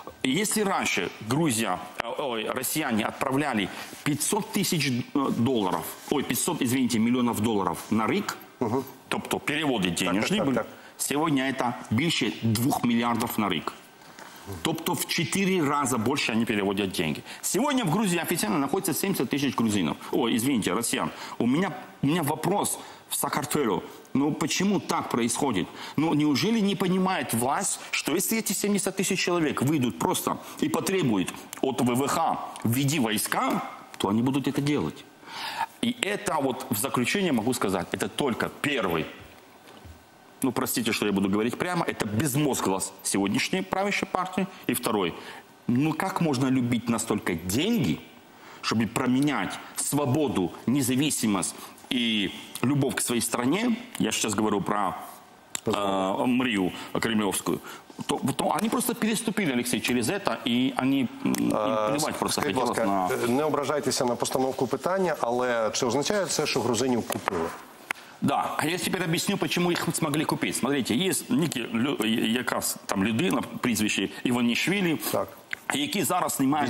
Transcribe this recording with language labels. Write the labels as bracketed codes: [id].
[uk] Якщо раніше Грузія, росіяни відправляли 500 тисяч доларів, 500, [ru] извините, [uk] мільйонів доларів на рік, тобто переводить денежні, сьогодні це більше 2 мільярдів на рік. Тобто [ru] в 4 раза больше они переводят деньги. Сегодня в Грузии официально находится 70 тысяч грузинов. О, извините, россиян. У меня вопрос в Сакартвело. Ну почему так происходит? Ну неужели не понимает власть, что если эти 70 тысяч человек выйдут просто и потребуют от ВВХ «введи войска», то они будут это делать. И это вот в заключение могу сказать, это только первый. Ну, простите, что я буду говорить прямо, это безмозглость сегодняшней правящей партии. И второй, ну как можно любить настолько деньги, чтобы променять свободу, независимость и любовь к своей стране, я сейчас говорю про Мрию Кремлевскую, то они просто переступили, Алексей, через это, и они плевать просто хотелось на... [uk] Не ображайтеся на постановку питання, але чи означає це, що грузинів купили? [ru] Да, а я теперь объясню, почему их смогли купить. Смотрите, есть некая [uk] людина, прізвище Іванішвілі, які зараз знімають